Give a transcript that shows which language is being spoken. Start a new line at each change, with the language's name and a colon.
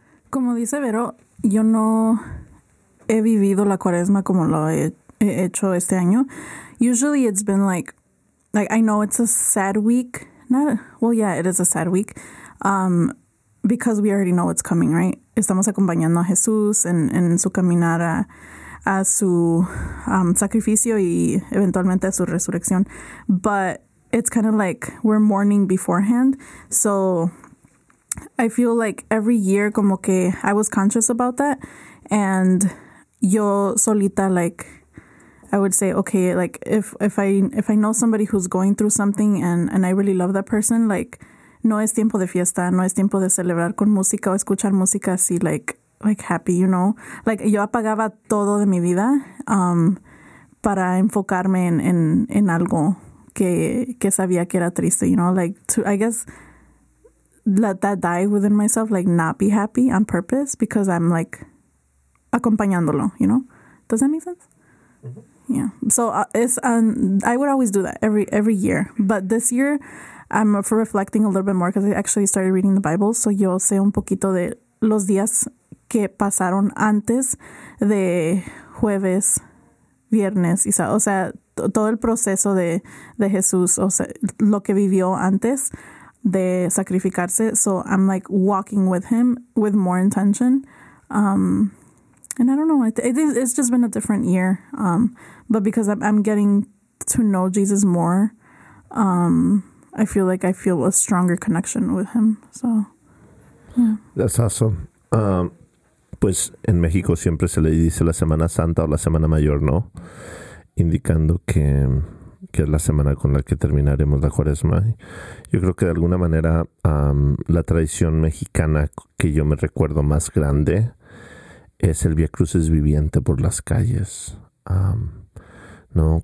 Spanish: Como dice Vero, yo no he vivido la cuaresma como lo he hecho este año.
English: Usually it's been like I know it's a sad week. It is a sad week. Because we already know what's coming, right?
Spanish: Estamos acompañando a Jesús en su caminar a su sacrificio y eventualmente a su resurrección.
English: But it's kind of like we're mourning beforehand. So I feel like every year
Spanish: como que
English: I was conscious about that. And
Spanish: yo solita,
English: like, I would say, okay, like, if I know somebody who's going through something and I really love that person, like,
Spanish: no es tiempo de fiesta, no es tiempo de celebrar con música o escuchar música así,
English: like happy, you know?
Spanish: Like, yo apagaba todo de mi vida para enfocarme en algo que sabía que era triste,
English: you know? Like, I guess, let that die within myself, like, not be happy on purpose because I'm, like,
Spanish: acompañándolo,
English: you know? Does that make sense? Mm-hmm. Yeah. So, I would always do that every year. But this year, I'm for reflecting a little bit more because I actually started reading the Bible.
Spanish: So yo sé un poquito de los días que pasaron antes de jueves, viernes, o sea, todo el proceso de Jesús, o sea, lo que vivió antes de sacrificarse.
English: So I'm like walking with him with more intention. And I don't know, it's just been a different year. But because I'm getting to know Jesus more, I feel like I feel a stronger connection with him. So, yeah. That's awesome.
Spanish: Pues en México siempre se le dice la Semana Santa o la Semana Mayor, ¿no? Indicando que es la semana con la que terminaremos la Cuaresma. Yo creo que de alguna manera la tradición mexicana que yo me recuerdo más grande es el Vía Crucis viviente por las calles. ¿No?